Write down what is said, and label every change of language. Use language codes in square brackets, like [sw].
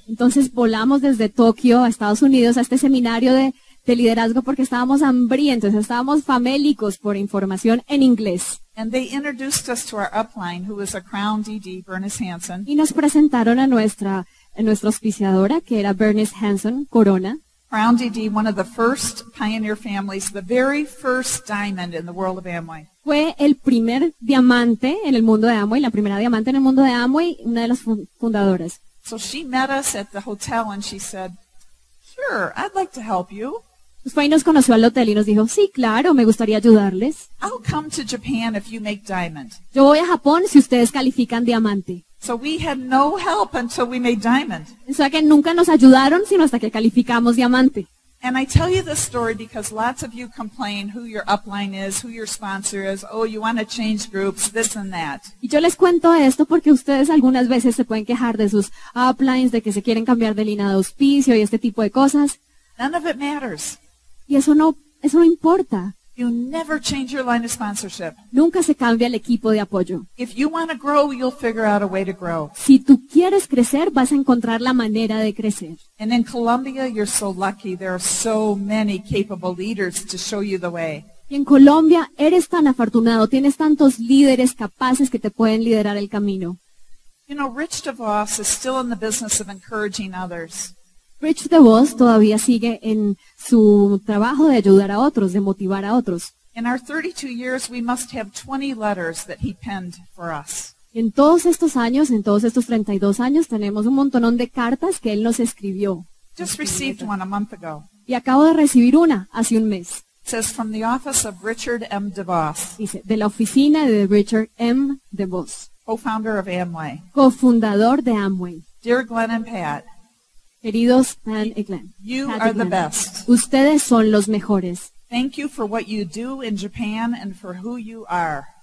[es] Entonces volamos desde Tokio a Estados Unidos a este seminario de liderazgo porque estábamos hambrientos, estábamos famélicos por información en inglés. [en] And they introduced us to our upline, who was a crown DD, Bernice Hansen. [es] Y nos presentaron a nuestra auspiciadora, que era Bernice Hansen, Corona. [en] Crown DD, one of the first pioneer families, the very first diamond in the world of Amway. [es] Fue el primer diamante en el mundo de Amway, la primera diamante en el mundo de Amway, una de las fundadoras. [en] So she met us at the hotel and she said, sure, I'd like to help you. [es] Pues fue y nos conoció al hotel y nos dijo, sí, claro, me gustaría ayudarles. [en] I'll come to Japan if you make diamond. [es] Yo voy a Japón si ustedes califican diamante. [en] So we had no help until we made diamond. [es] O sea que nunca nos ayudaron sino hasta que calificamos diamante. [en] And I tell you this story because lots of you complain who your upline is, who your sponsor is. Oh, you want to change groups, this and that. [es] Y yo les cuento esto porque ustedes algunas veces se pueden quejar de sus uplines, de que se quieren cambiar de línea de auspicio y este tipo de cosas. [en] None of it matters. [es] Y eso no importa. [en] You never change your line of sponsorship. [es] Nunca se cambia el equipo de apoyo. [en] If you want to grow, you'll figure out a way to grow. [es] Si tú quieres crecer, vas a encontrar la manera de crecer. [en] And in Colombia, you're so lucky. There are so many capable leaders to show you the way. [es] Y en Colombia, eres tan afortunado. Tienes tantos líderes capaces que te pueden liderar el camino. [en] You know, Rich DeVos is still in the business of encouraging others. [es] Rich DeVos todavía sigue en su trabajo de ayudar a otros, de motivar a otros. [en] In our 32 years, we must have 20 letters that he penned for us. [es] En todos estos años, en todos estos 32 años, tenemos un montonón de cartas que él nos escribió. [en] Just received one a month ago. [es] Y acabo de recibir una hace un mes. [en] It says, from the office of Richard M. DeVos. [es] Dice, de la oficina de Richard M. DeVos. [en] Co-founder of Amway. [es] Cofundador de Amway. [en] Dear Glenn and Pat. [es] Queridos Pan y Glenn, [en] you are the best. [es] Ustedes son los mejores. [en] Thank you for what you do in Japan and for who you are.